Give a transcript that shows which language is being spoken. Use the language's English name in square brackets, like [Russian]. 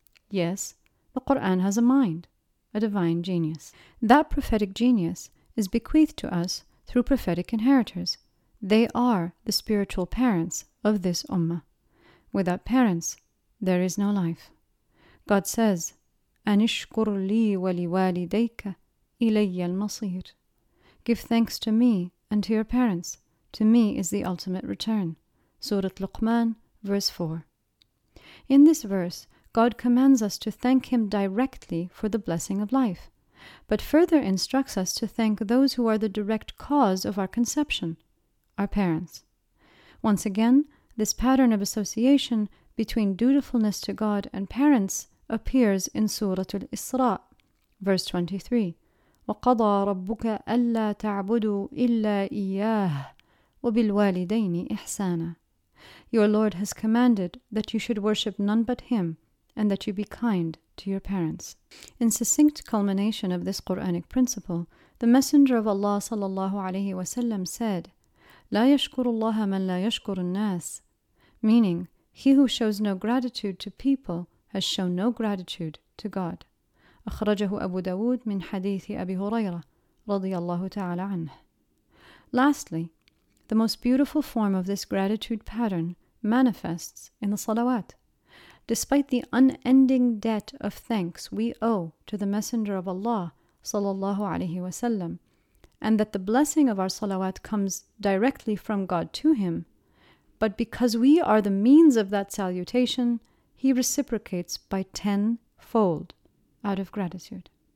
[English] Yes, the Qur'an has a mind, a divine genius. That prophetic genius is bequeathed to us through prophetic inheritors. They are the spiritual parents of this ummah. Without parents, there is no life. God says, [Arabic] أَنِشْكُرْ لِي وَلِوَالِدَيْكَ إِلَيَّ الْمَصِيرِ. [English] Give thanks to me and to your parents. To me is the ultimate return. Surah Luqman, verse 4. In this verse, God commands us to thank Him directly for the blessing of life, but further instructs us to thank those who are the direct cause of our conception, our parents. Once again, this pattern of association between dutifulness to God and parents appears in Surah Al-Isra, verse 23. [Arabic] وَقَضَى رَبُّكَ أَلَّا تَعْبُدُوا إِلَّا إِيَّاهُ وَبِالْوَالِدَيْنِ إِحْسَانًا. [English] Your Lord has commanded that you should worship none but Him and that you be kind to your parents. In succinct culmination of this Qur'anic principle, the Messenger of Allah sallallahu alayhi wa sallam said, [Arabic] لَا يَشْكُرُ اللَّهَ مَنْ لَا يَشْكُرُ النَّاسِ, [English] meaning, he who shows no gratitude to people has shown no gratitude to God. [Arabic] أخرجه أبو داود من حديث أبي هريرة رضي الله تعالى عنه. [English] Lastly, the most beautiful form of this gratitude pattern manifests in the salawat. Despite the unending debt of thanks we owe to the Messenger of Allah sallallahu alaihi wasallam, and that the blessing of our salawat comes directly from God to him, but because we are the means of that salutation, he reciprocates by tenfold out of gratitude.